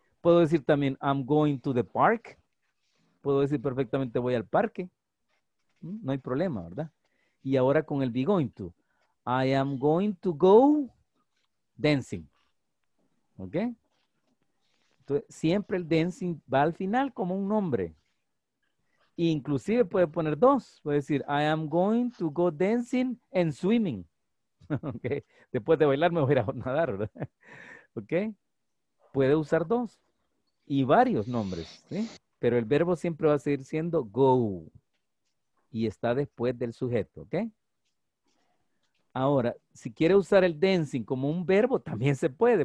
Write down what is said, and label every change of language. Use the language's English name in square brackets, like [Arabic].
[Spanish] Puedo decir también, [English] I'm going to the park. [Spanish] Puedo decir perfectamente, voy al parque. No hay problema, ¿verdad? Y ahora con el be going to. [English] I am going to go dancing. [Spanish] ¿Ok? Entonces, siempre el dancing va al final como un nombre. Inclusive puede poner dos. Puede decir, [English] I am going to go dancing and swimming. Okay. [Spanish] Después de bailar me voy a nadar, ¿verdad? Ok. Puede usar dos. Y varios nombres. ¿Sí? Pero el verbo siempre va a seguir siendo go. Y está después del sujeto. Ok. Ahora, si quiere usar el dancing como un verbo, también se puede.